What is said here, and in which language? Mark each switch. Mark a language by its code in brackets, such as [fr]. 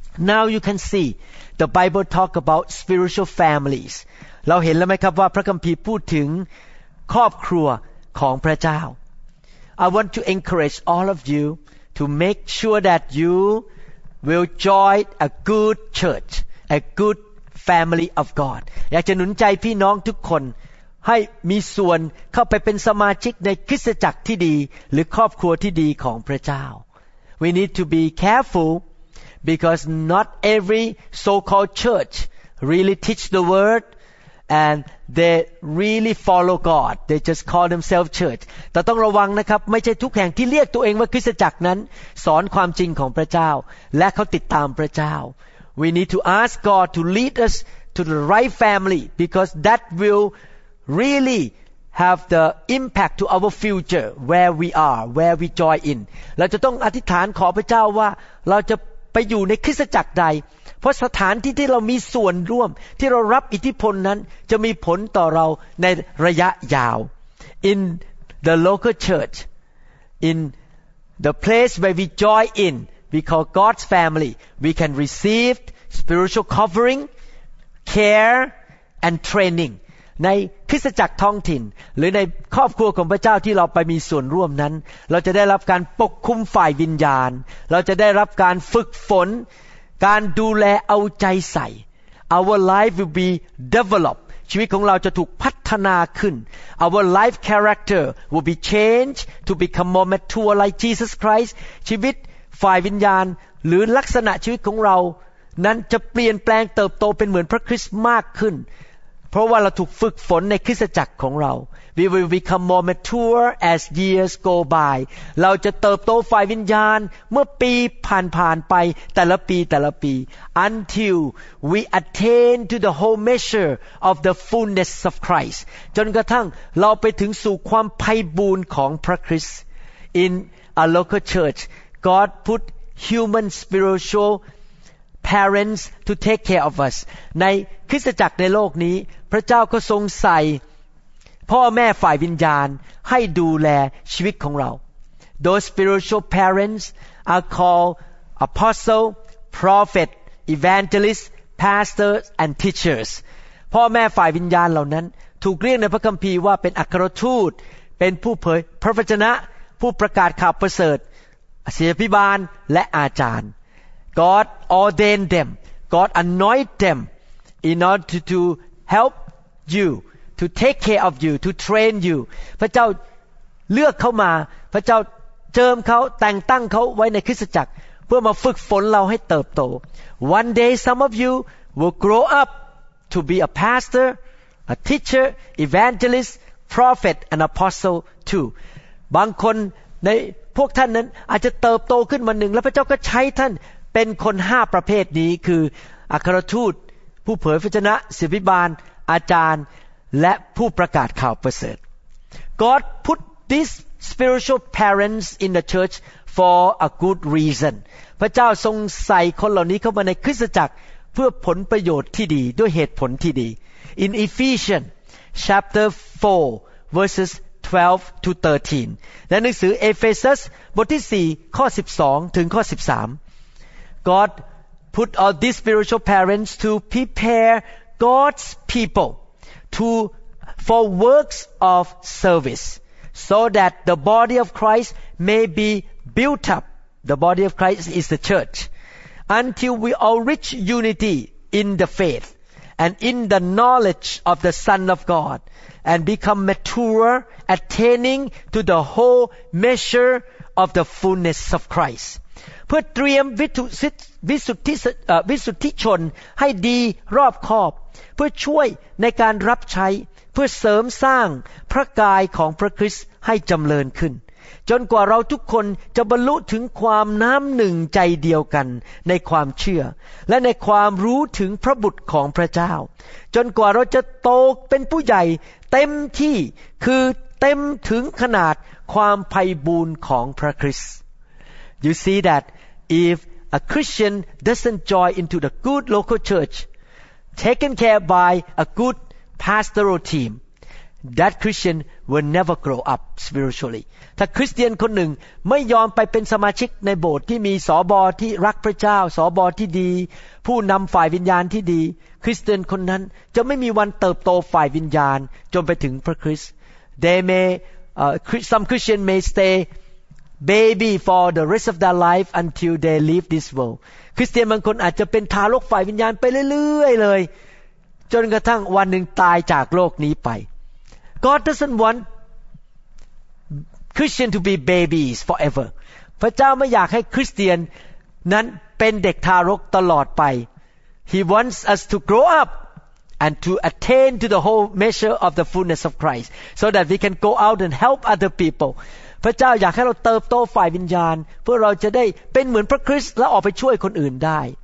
[en] Now you can see the Bible talk about spiritual families [th] เราเห็นแล้วไหมครับว่าพระคัมภีร์พูดถึงครอบครัวของพระเจ้า [en] I want to encourage all of you to make sure that youwill join a good church a good family of god [th] อยากจะหนุนใจพี่น้องทุกคนให้มีส่วนเข้าไปเป็นสมาชิกในคริสตจักรที่ดีหรือครอบครัวที่ดีของพระเจ้า [en] we need to be careful because not every so-called church really teach the word and they really follow God. They just call themselves church. [th] แต่ต้องระวังนะครับไม่ใช่ทุกแห่งที่เรียกตัวเองว่าคริสตจักรนั้นสอนความจริงของพระเจ้าและเขาติดตามพระเจ้า [en] We need to ask God to lead us to the right family because that will really have the impact to our future where we are, where we join in. [th] เราจะต้องอธิษฐานขอพระเจ้าว่าเราจะไปอยู่ในคริสตจักรใดเพราะสถานที่ที่เรามีส่วนร่วมที่เรารับอิทธิพลนั้นจะมีผลต่อเราในระยะยาว [en] In the local church, in the place where we join in, we call God's family, we can receive spiritual covering, care, and training. [th] ในคริสตจักรท้องถิ่นหรือในครอบครัวของพระเจ้าที่เราไปมีส่วนร่วมนั้นเราจะได้รับการปกคุมฝ่ายวิญญาณเราจะได้รับการฝึกฝนการดูแลเอาใจใส่ [en] Our life will be developed [th] ชีวิตของเราจะถูกพัฒนาขึ้น [en] Our life character will be changed to become more mature like Jesus Christ [th] ชีวิตฝ่ายวิญญาณหรือลักษณะชีวิตของเรานั้นจะเปลี่ยนแปลงเติบโตเป็นเหมือนพระคริสต์มากขึ้นเพราะว่าเราถูกฝึกฝนในคริสตจักรของเรา [en] We will become more mature as years go by [th] เราจะเติบโตฝ่ายวิญญาณเมื่อปีผ่านไปแต่ละปีแต่ละปี [en] Until we attain to the whole measure of the fullness of Christ [th] จนกระทั่งเราไปถึงสู่ความไพบูลย์ของพระคริสต์ [en] In a local church God put human spiritualparents to take care of us [th] ในคริสตจักรในโลกนี้พระเจ้าก็ทรงใส่พ่อแม่ฝ่ายวิญญาณให้ดูแลชีวิตของเรา [en] Those spiritual parents are called apostle, prophet, evangelist, pastor and teachers [th] พ่อแม่ฝ่ายวิญญาณเหล่านั้นถูกเรียกในพระคัมภีร์ว่าเป็นอัครทูตเป็นผู้เผยพระวจนะผู้ประกาศข่าวประเสริฐศิษยาภิบาลและอาจารย์ [en] God ordained them. God anointed them in order to help you, to take care of you, to train you. [th] พระเจ้าเลือกเขามาพระเจ้าเจิมเขาแต่งตั้งเขาไว้ในคริสตจักรเพื่อมาฝึกฝนเราให้เติบโต [en] One day some of you will grow up to be a pastor, a teacher, evangelist, prophet, and apostle too. [th] บางคนในพวกท่านนั้นอาจจะเติบโตขึ้นวันหนึ่งแล้วพระเจ้าก็ใช้ท่านเป็นคน5ประเภทนี้คืออัครทูตผู้เผยพระวจนะศิษยาภิบาลอาจารย์และผู้ประกาศข่าวประเสริฐ [en] God put these spiritual parents in the church for a good reason [th] พระเจ้าทรงใส่คนเหล่านี้เข้ามาในคริสตจักรเพื่อผลประโยชน์ที่ดีด้วยเหตุผลที่ดี [en] In Ephesians chapter 4 verses 12 to 13 [th] ในหนังสือเอเฟซัสบทที่4ข้อ12ถึงข้อ13 [en] God put all these spiritual parents to prepare God's people to for works of service so that the body of Christ may be built up. The body of Christ is the church. Until we all reach unity in the faith and in the knowledge of the Son of God and become mature, attaining to the whole measure of the fullness of Christ. [th] เพื่อเตรียมวิสุทธิชนให้ดีรอบคอบเพื่อช่วยในการรับใช้เพื่อเสริมสร้างพระกายของพระคริสต์ให้จำเริญขึ้นจนกว่าเราทุกคนจะบรรลุถึงความน้ำหนึ่งใจเดียวกันในความเชื่อและในความรู้ถึงพระบุตรของพระเจ้าจนกว่าเราจะโตเป็นผู้ใหญ่เต็มที่คือเต็มถึงขนาดความไพบูลย์ของพระคริสต์ [en] You see that if a Christian doesn't join into the good local church, taken care by a good pastoral team, that Christian will never grow up spiritually. [th] ถ้าคริสเตียนคนหนึ่งไม่ยอมไปเป็นสมาชิกในโบสถ์ที่มีสบอที่รักพระเจ้าสบอที่ดีผู้นำฝ่ายวิญญาณที่ดีคริสเตียนคนนั้นจะไม่มีวันเติบโตฝ่ายวิญญาณจนไปถึงพระคริสต์ [en] They may, some Christian may stay. Baby for the rest of their life until they leave this world. [th] คริสเตียนบางคนอาจจะเป็นทารกฝ่ายวิญญาณไปเรื่อยๆเลยจนกระทั่งวันหนึ่งตายจากโลกนี้ไป [en] God doesn't want Christian to be babies forever. [th] พระเจ้าไม่อยากให้คริสเตียนนั้นเป ป็นเด็กทารกตลอดไป [en] He wants us to grow up and to attain to the whole measure of the fullness of Christ so that we can go out and help other people [th] พระเจ้าอยากให้เราเติบโตฝ่ายวิญญาณเพื่อเราจะได้เป็นเหมือนพระคริสต์และออกไปช่วยคนอื่นได้